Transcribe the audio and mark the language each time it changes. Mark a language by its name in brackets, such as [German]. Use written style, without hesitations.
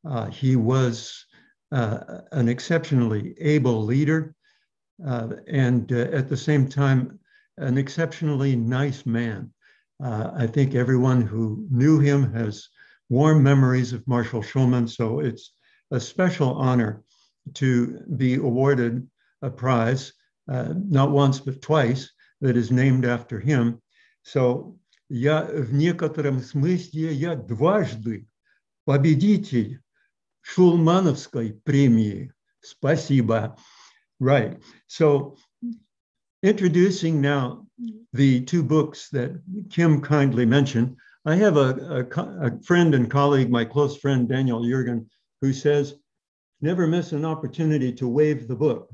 [English] He was an exceptionally able leader and at the same time, an exceptionally nice man. I think everyone who knew him has warm memories of Marshall Schulman, so it's a special honor to be awarded a prize, not once, but twice, that is named after him. [Russian] So, я в некотором смысле, я дважды победитель Шулмановской премии. Спасибо. [English] Right. So, introducing now the two books that Kim kindly mentioned. I have a friend and colleague, my close friend, Daniel Jurgen, who says, never miss an opportunity to wave the book.